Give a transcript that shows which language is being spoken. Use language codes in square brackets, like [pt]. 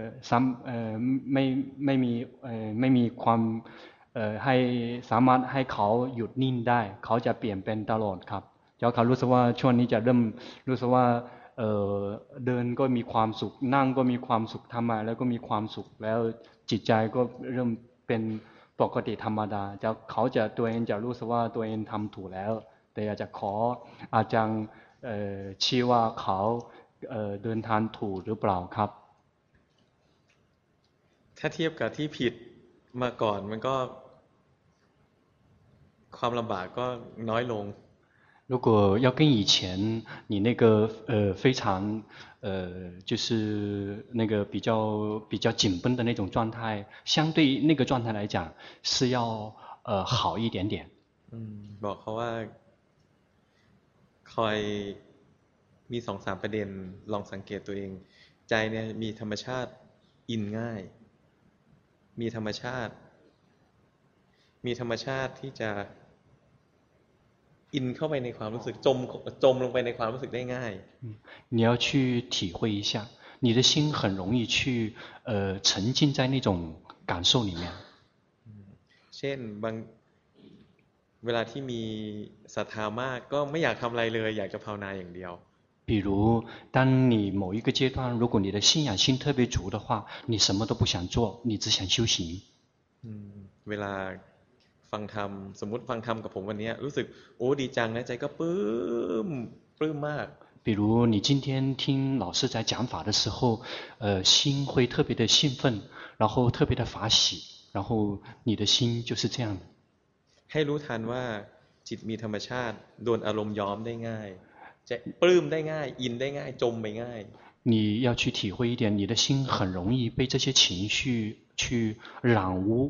[th] ซ้ำไม่มีความให้สามารถให้เขาหยุดนิ่งได้เขาจะเปลี่ยนเป็นตลอดครับเจ้าเขารู้สึกว่าช่วงนี้จะเริ่มรู้สึกว่าเดินก็มีความสุขนั่งก็มีความสุขทำมาแล้วก็มีความสุขแล้วจิตใจก็เริ่มเป็นปกติธรรมดาจะเขาจะตัวเองจะรู้สึกว่าตัวเองทำถูกแล้วแต่อยากจะขออาจารย์ชี้ว่าเขาเดินทางถูกหรือเปล่าครับ ถ้าเทียบกับที่ผิดมาก่อนมันก็ความลำบากก็น้อยลง [zh] 如果要跟以前你那个非常就是那个比较紧绷的那种状态，相对那个状态来讲是要好一点点。 [th] 嗯，บอกเขาว่าคอยมีสองสามประเด็นลองสังเกตตัวเองใจเนี่ยมีธรรมชาติอินง่ายมีธรรมชาติที่จะin เข้าไปในความรู้สึกจมลงไปในความรู้สึกได้ง่าย [zh] 你要去体会一下你的心很容易去沉浸在那种感受里面 [th] เช่นบางเวลาที่มีศรัทธามากก็ไม่อยากทำอะไรเลยอยากจะภาวนาอย่างเดียว [zh] 比如当你某一个阶段如果你的信仰心特别足的话你什么都不想做你只想修行 [th] เวลา ฟังธรรมสมมุติฟังธรรมกับผมวันนี้รู้สึกโอ้ดีจังนะใจก็ปื้มปื้มมาก [zh] 比如你今天听老师在讲法的时候心会特别的兴奋然后特别的法喜然后你的心就是这样的 [th] ให้รู้ทันว่าจิตมีธรรมชาติโดนอารมณ์ย้อมได้ง่ายจะปลื้มได้ง่ายอินได้ง่ายจมไปง่าย [zh] 你要去体会一点你的心很容易被这些情绪去染污